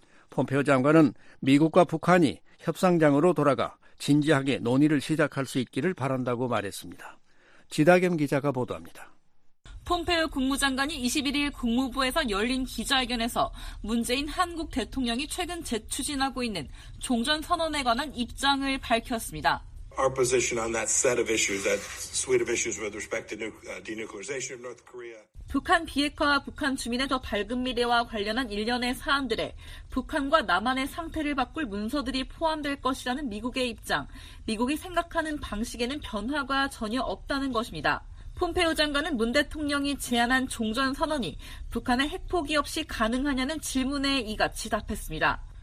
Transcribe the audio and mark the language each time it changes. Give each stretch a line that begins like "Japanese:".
Korean: 폼페오 장관은 미국과 북한이 협상장으로 돌아가 진지하게 논의를 시작할 수 있기를 바란다고 말했습니다. 지다겸 기자가 보도합니다. 폼페오 국무장관이 21일 국무부에서 열린 기자회견에서 문재인 한국 대통령이 최근 재추진하고 있는 종전선언에 관한 입장을 밝혔습니다.
English: Our position on that set of issues, that suite of issues with respect to denuclearization of North Korea.
Korean: 북한 비핵화와 북한 주민의 더 밝은 미래와 관련한 일련의 사안들에 북한과 남한의 상태를 바꿀 문서들이 포함될 것이라는 미국의 입장, 미국이 생각하는 방식에는 변화가 전혀 없다는 것입니다. 폼페오 장관은 문 대통령이 제안한 종전선언이 북한의 핵포기 없이 가능하냐는 질문에 이같이 답했습니다.